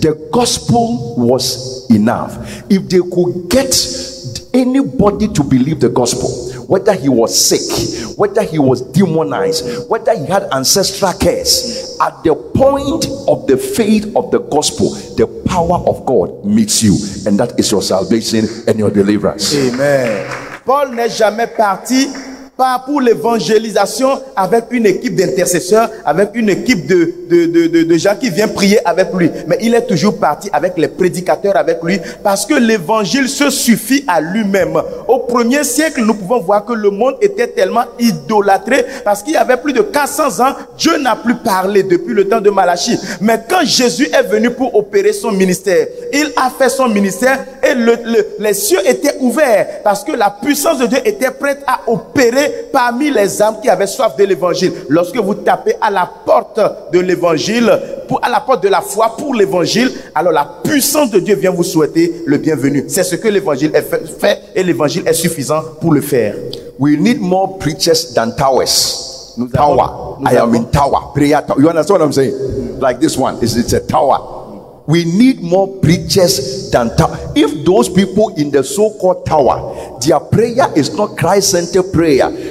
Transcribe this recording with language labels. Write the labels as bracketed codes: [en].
[en] The gospel was enough. If they could get anybody to believe the gospel, whether he was sick, whether he was demonized, whether he had ancestral curse, at the point of the faith of the gospel, the power of God meets you, and that is your salvation and your deliverance. Amen. [fr] Paul n'est jamais parti pas pour l'évangélisation avec une équipe d'intercesseurs, avec une équipe de gens qui viennent prier avec lui. Mais il est toujours parti avec les prédicateurs avec lui parce que l'évangile se suffit à lui-même. Au premier siècle, nous pouvons voir que le monde était tellement idolâtré parce qu'il y avait plus de 400 ans, Dieu n'a plus parlé depuis le temps de Malachie. Mais quand Jésus est venu pour opérer son ministère, il a fait son ministère et et les cieux étaient ouverts parce que la puissance de Dieu était prête à opérer parmi les âmes qui avaient soif de l'évangile. Lorsque vous tapez à la porte de l'évangile, à la porte de la foi pour l'évangile, alors la puissance de Dieu vient vous souhaiter le bienvenu. C'est ce que l'évangile fait et l'évangile est suffisant pour le faire. [en] We need more preachers than towers. You understand what I'm saying? Like this one, it's a tower. We need more preachers than tower. If those people in the so-called tower, their prayer is not Christ-centered prayer.